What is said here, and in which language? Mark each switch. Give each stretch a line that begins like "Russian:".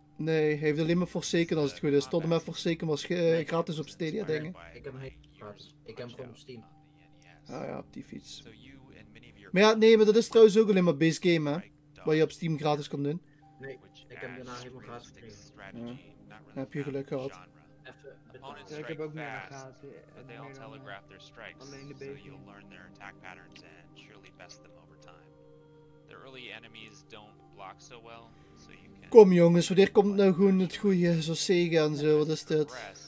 Dutch: Nee, hij heeft alleen maar Forsaken als het goed is. Tot en met Forsaken was gratis op Stadia dingen. Ik heb hem gratis. Ik heb hem op Steam. Ah ja, op die fiets. Maar ja, nee, maar dat is trouwens ook alleen maar base game, hè. Wat je op Steam gratis kan doen. Nee, ik heb daarna helemaal gratis gekregen. Ja. Heb je geluk gehad. Ja, ik heb ook meer gehad.
English: But they all telegraph their strikes,
Dutch: alleen de base.
English: So you'll learn their attack patterns and surely best them over time. The early enemies don't block so well, so you can...
Dutch: Kom jongens, wanneer komt nou gewoon het goede, zoals Sega en zo, wat is dit?